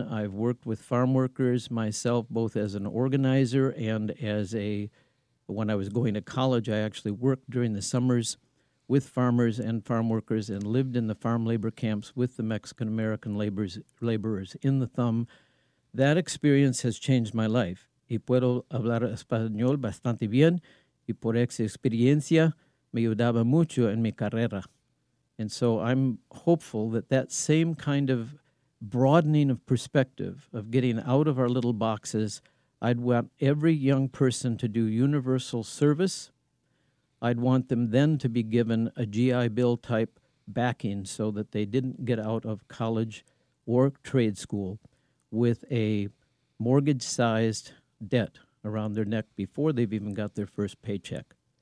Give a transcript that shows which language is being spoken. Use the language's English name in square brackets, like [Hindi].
[English] I've worked with farm workers myself, both as an organizer and when I was going to college, I actually worked during the summers with farmers and farm workers and lived in the farm labor camps with the Mexican-American laborers in the thumb. That experience has changed my life. [Spanish] Y puedo hablar español bastante bien, y por esa experiencia me ayudaba mucho en mi carrera. [English] And so I'm hopeful that that same kind of broadening of perspective, of getting out of our little boxes, I'd want every young person to do universal service. I'd want them then to be given a GI Bill type backing so that they didn't get out of college or trade school with a mortgage-sized debt around their neck before they've even got their first paycheck.